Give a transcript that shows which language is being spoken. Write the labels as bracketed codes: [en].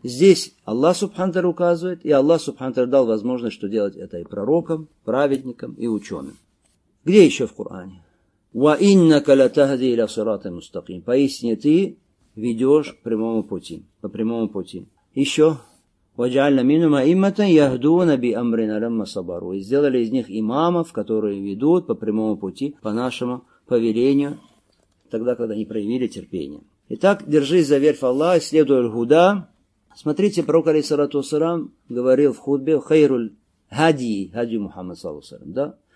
[ru] Здесь Аллах Субхану Тааля указывает, и Аллах Субхану Тааля дал возможность, что делать это и пророкам, праведникам, и ученым. Где еще в Коране? [ar] «Ва иннака ля тахди иля сирата мустаким». [ru] Поистине ты ведешь по прямому пути. Еще. [ar] وجعلنا منهم أئمة يهدون بأمرنا لما صبروا. [ru] Сделали из них имамов, которые ведут по прямому пути, по нашему повелению, тогда, когда они проявили терпение. Итак, держись за верь в Аллах, следуй аль-Худа. Смотрите, пророк алейхиссалату вассалам говорил в хутбе [ar] «Хайруль Хадии», [ru] «Хадию Мухаммад саллаллаху алейхи вассалам», да?